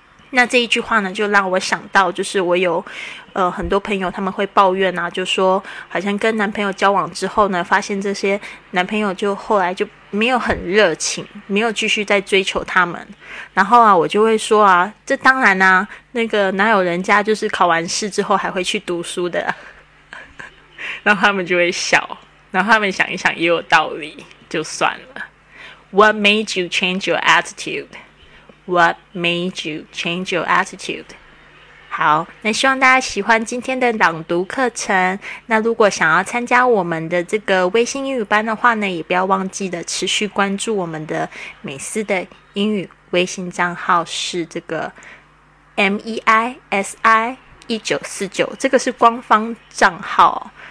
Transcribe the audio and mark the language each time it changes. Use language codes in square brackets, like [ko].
[zh] 那这一句话呢，就让我想到，就是我有很多朋友他们会抱怨啊，就说好像跟男朋友交往之后呢，发现这些男朋友就后来就没有很热情，没有继续再追求他们。然后啊，我就会说啊，这当然啊，那个哪有人家就是考完试之后还会去读书的？然后他们就会笑，然后他们想一想也有道理，就算了。 [en] What made you change your attitude? What made you change your attitude? [zh] 好，那希望大家喜欢今天的朗读课程。那如果想要参加我们的这个微信英语班的话呢，也不要忘记的持续关注我们的美思的英语微信账号，是这个 MEISI1949， 这个是官方账号。